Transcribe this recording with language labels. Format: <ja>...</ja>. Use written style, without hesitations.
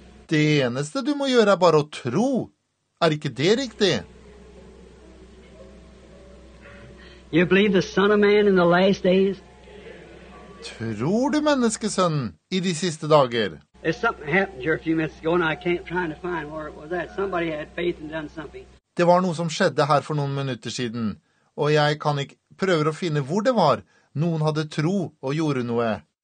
<no>Det eneste du må gjøre er bare å tro. Er ikke det riktig?</no> <en>You believe the Son of Man in the last days?</en> <no>Tror du menneskesønnen i de siste dager? Det var noe som skjedde her for noen minutter siden, og jeg kan ikke prøve å finne hvor det var. Noen hadde tro og gjorde noe.</no>